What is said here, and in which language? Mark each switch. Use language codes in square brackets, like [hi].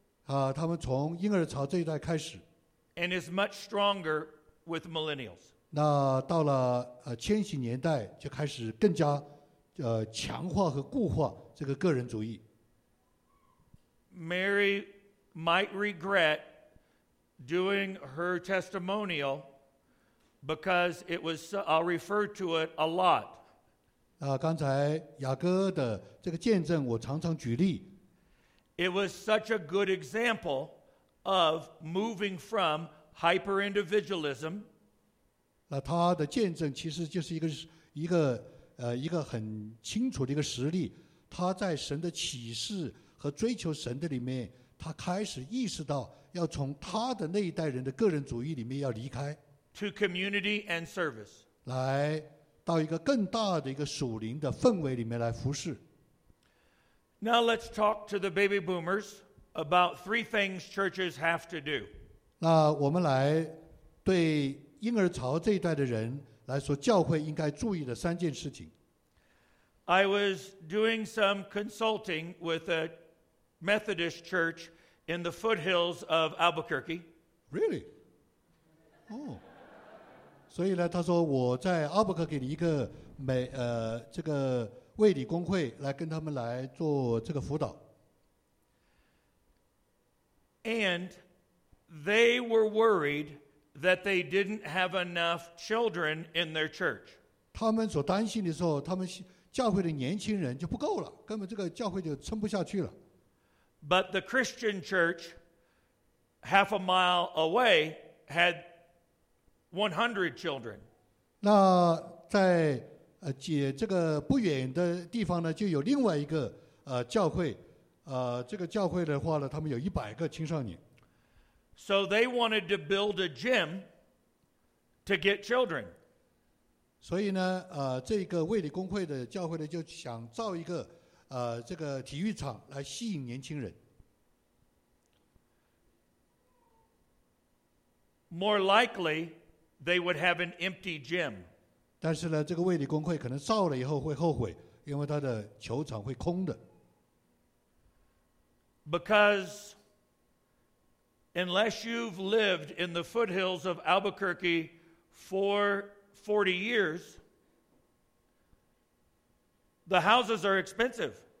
[zh] 他们从婴儿潮这一代开始。 [en] And is much stronger with millennials. [zh] 那到了千禧年代就开始更加强化和固化这个个人主义。 [en] Mary might regret doing her testimonial because it was. I'll refer to it a lot. [zh] 刚才雅哥的这个见证我常常举例。 [en] It was such a good example. Of moving from hyper individualism. [zh] 那他的见证其实就是一个很清楚的一个实例。他在神的启示和追求神的里面，他开始意识到要从他的那一代人的个人主义里面要离开。 [en] To community and service. [zh] 来到一个更大的一个属灵的氛围里面来服侍。 [en] Now let's talk to the baby boomers. About three things churches have to do. [zh] 那我们来对婴儿潮这一代的人来说，教会应该注意的三件事情。 [en] I was doing some consulting with a Methodist church in the foothills of Albuquerque. Really? Oh. [zh] 所以呢，他说我在 Albuquerque 的一个这个卫理公会来跟他们来做这个辅导。 [en] And they were worried that they didn't have enough children in their church. [zh] 他们所担心的时候，他们教会的年轻人就不够了，根本这个教会就撑不下去了。 [en] But the Christian church, half a mile away, had 100 children. [zh] 那在这个不远的地方呢，就有另外一个教会，这个教会的话呢，他们有100个青少年。 [en] So they wanted to build a gym to get children. [zh] 所以呢，这个卫理公会的教会呢，就想造一个这个体育场来吸引年轻人。 [en] More likely, they would have an empty gym. [zh] 但是呢，这个卫理公会可能造了以后会后悔，因为他的球场会空的。 [en] Because unless you've lived in the foothills of Albuquerque for 40 years, the houses are expensive.